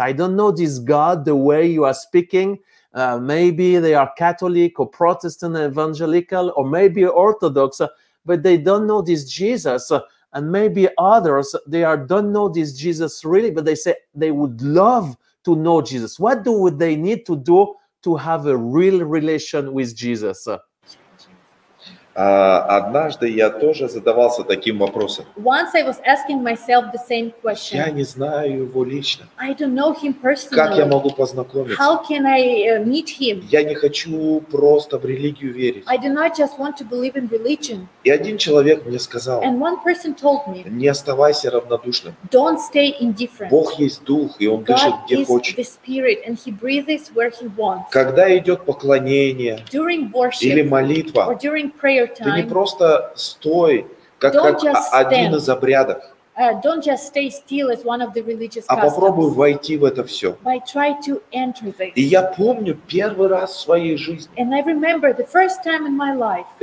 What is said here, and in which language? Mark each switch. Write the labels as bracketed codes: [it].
[en] I don't know this God the way you are speaking. Maybe they are Catholic or Protestant evangelical, or maybe Orthodox, but they don't know this Jesus. And maybe others, they are don't know this Jesus really, but they say they would love to know Jesus. What do they need to do to have a real relation with Jesus? [ru] Однажды я тоже задавался таким вопросом. [en] Once I was asking myself the same question. [ru] Я не знаю его лично. [en] I don't know him personally. [ru] Как я могу познакомиться? [en] How can I meet him? [ru] Я не хочу просто в религию верить. [en] I do not just want to believe in religion. [ru] И один человек мне сказал. [en] And one person told me. [ru] Не оставайся равнодушным. [en] Don't stay indifferent. [ru] Бог есть дух, и он дышит где хочет. [en] God is the spirit, and he breathes where he wants. [ru] Когда идет поклонение. [en] During worship. [ru] Или молитва. [en] Or during prayer. [ru] Ты не просто стой, как один из обрядов. [en] Don't just stay still as one of the religious customs. [ru] А попробуй войти в это все. [en] But try to enter this. [ru] И я помню первый раз в своей жизни. [en] And I remember the first time in my life.